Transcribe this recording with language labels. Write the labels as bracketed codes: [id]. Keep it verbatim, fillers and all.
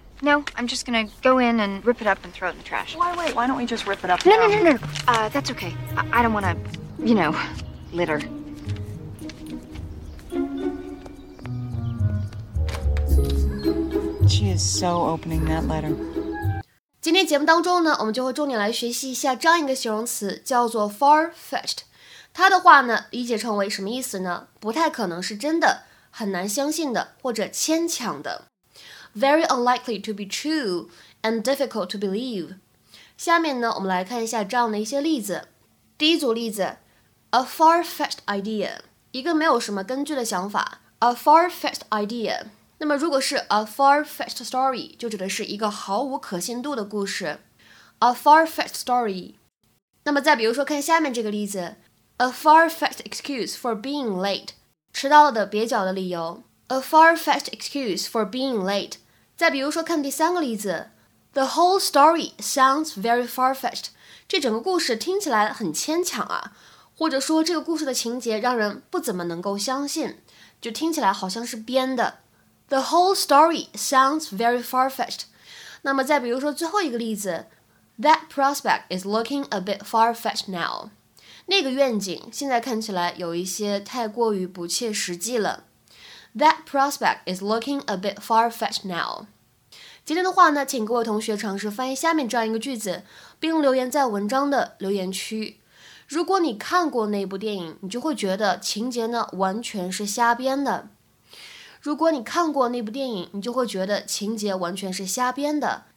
[en] No, I'm just going to go in and rip it up and throw it in the trash. Why wait? Why don't we just rip it up No, now? no, no, no. Uh, that's okay. I, I don't want to... You know, litter. She is so opening that letter. [zh] 今天节目当中呢，我们就会重点来学习一下这样一个形容词，叫做 far-fetched。它的话呢，理解成为什么意思呢？不太可能是真的，很难相信的，或者牵强的。 [en] Very unlikely to be true and difficult to believe. [zh] 下面呢，我们来看一下这样的一些例子。第一组例子。 [en] A far-fetched idea [zh] 一个没有什么根据的想法 A far-fetched idea 那么如果是 [en] a far-fetched story [zh] 就指的是一个毫无可信度的故事 [en] A far-fetched story [zh] 那么再比如说看下面这个例子 [en] A far-fetched excuse for being late [zh] 迟到了的蹩脚的理由 A far-fetched excuse for being late 再比如说看第三个例子 [en] The whole story sounds very far-fetched [zh] 这整个故事听起来很牵强啊或者说这个故事的情节让人不怎么能够相信，就听起来好像是编的。 [en] The whole story sounds very far-fetched. [zh] 那么再比如说最后一个例子 [en] That prospect is looking a bit far-fetched now. [zh] 那个愿景现在看起来有一些太过于不切实际了。 [en] That prospect is looking a bit far-fetched now. [zh] 今天的话呢，请各位同学尝试翻译下面这样一个句子，并留言在文章的留言区。如果你看过那部电影，你就会觉得情节呢完全是瞎编的。如果你看过那部电影，你就会觉得情节完全是瞎编的。